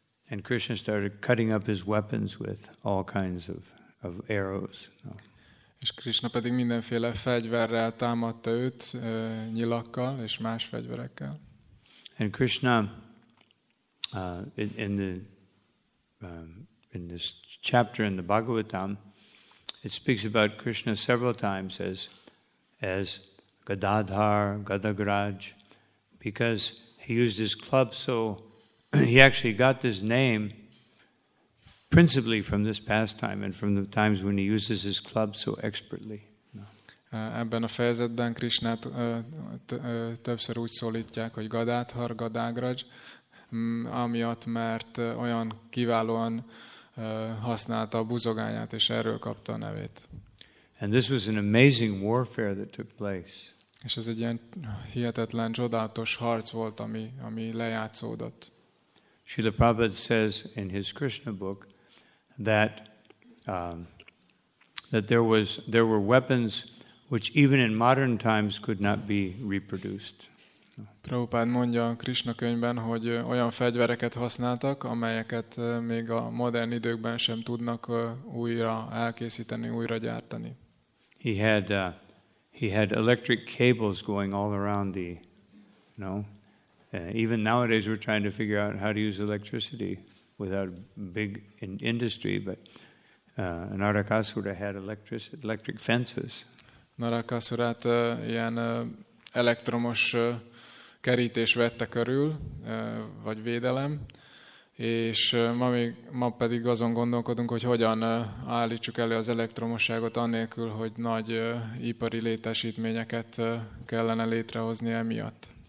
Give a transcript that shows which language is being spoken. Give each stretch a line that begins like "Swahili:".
English: And Krishna started cutting up his weapons with all kinds of arrows.
Hungarian: És Krishna pedig mindenféle fegyverrel támadta őt, nyilakkal és más fegyverekkel.
English: And Krishna in this chapter in the Bhagavatam, it speaks about Krishna several times as Gadadhar, Gadagraj, because he used his club, so he actually got this name principally from this pastime and from the times when he uses his club so expertly.
Hungarian: Ebben a fejezetben Krishnát többször úgy szólítják, hogy Gadadhar, Gadagraj, amiatt, mert olyan kiválóan használta a buzogányát, és erről kapta a nevét.
English: And this was an amazing warfare that took place.
Hungarian: És ez egy ilyen hihetetlen, csodálatos harc volt, ami lejátszódott.
English: Srila Prabhupada says in his Krishna book that there were weapons which even in modern times could not be reproduced.
Hungarian: Prabhupada mondja a Krishna könyvben, hogy olyan fegyvereket használtak, amelyeket még a modern időkben sem tudnak újra elkészíteni, újra gyártani.
English: He had electric cables going all around the, you know. Even nowadays we're trying to figure out how to use electricity without big industry, but Narakasura had electric fences.
Hungarian: Narakasurát ilyen elektromos kerítés vette körül, vagy védelem, és ma pedig azon gondolkodunk, hogy hogyan állítsuk elő az elektromosságot anélkül, hogy nagy ipari létesítményeket kellene létrehozni emiatt.